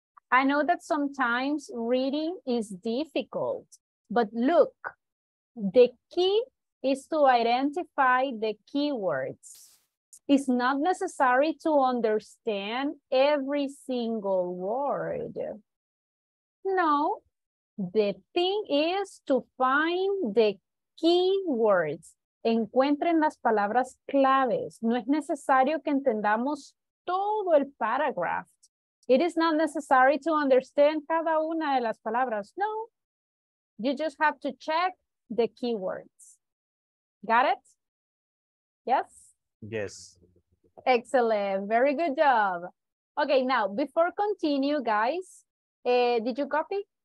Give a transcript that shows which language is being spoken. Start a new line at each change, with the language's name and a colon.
English: I know that sometimes reading is difficult, but look, the key is to identify the keywords. It's not necessary to understand every single word. No, the thing is to find the keywords.
Spanish: Encuentren las palabras claves. No es necesario que entendamos todo el paragraph.
English: It is not necessary to understand
Spanish: cada una de las palabras.
English: No, you just have to check the keywords. Got it? Yes? Yes. Excellent. Very good job. Okay, now, before continue, guys, did you copy